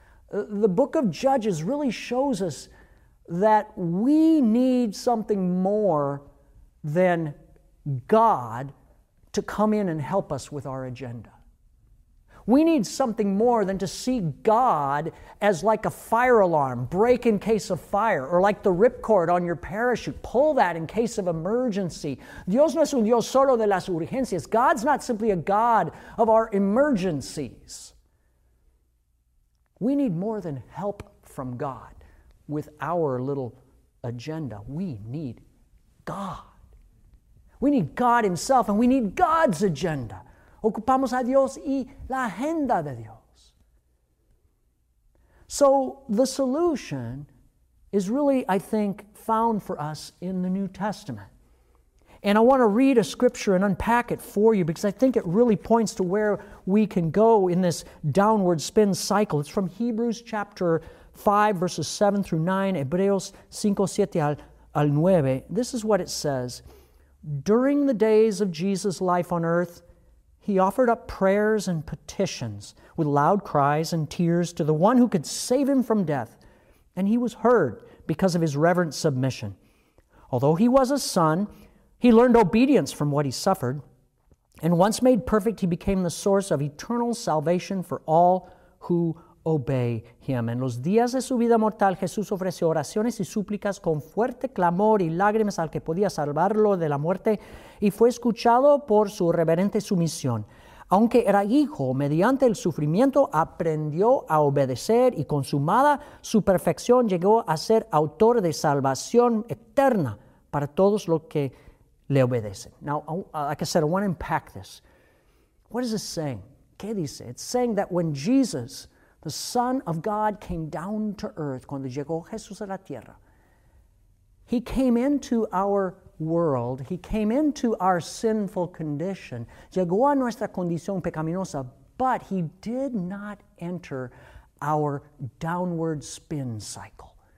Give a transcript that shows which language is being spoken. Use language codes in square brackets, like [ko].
[en] The book of Judges really shows us that we need something more than God to come in and help us with our agenda. We need something more than to see God as like a fire alarm, break in case of fire, or like the ripcord on your parachute, pull that in case of emergency. [es] Dios no es un Dios solo de las urgencias. [en] God's not simply a God of our emergencies. We need more than help from God with our little agenda. We need God. We need God Himself, and we need God's agenda. [es] Ocupamos a Dios y la agenda de Dios. [en] So the solution is really, I think, found for us in the New Testament. And I want to read a scripture and unpack it for you, because I think it really points to where we can go in this downward spin cycle. It's from Hebrews chapter 5, verses 7 through 9, [es] Hebreos 5, 7 al 9. [en] This is what it says. During the days of Jesus' life on earth, he offered up prayers and petitions with loud cries and tears to the one who could save him from death, and he was heard because of his reverent submission. Although he was a son, he learned obedience from what he suffered, and once made perfect, he became the source of eternal salvation for all who obey him. [es] En los días de su vida mortal, Jesús ofreció oraciones y súplicas con fuerte clamor y lágrimas al que podía salvarlo de la muerte, y fue escuchado por su reverente sumisión. Aunque era hijo, mediante el sufrimiento aprendió a obedecer, y consumada su perfección llegó a ser autor de salvación eterna para todos los que le obedecen. [en] Now, like I said, I want to unpack this. What is this saying? [es] ¿Qué dice? [en] It's saying that when Jesus, the Son of God, came down to earth, [es] cuando llegó Jesús a la tierra, [en] he came into our world, he came into our sinful condition, [es] llegó a nuestra condición pecaminosa, [en] but he did not enter our downward spin cycle.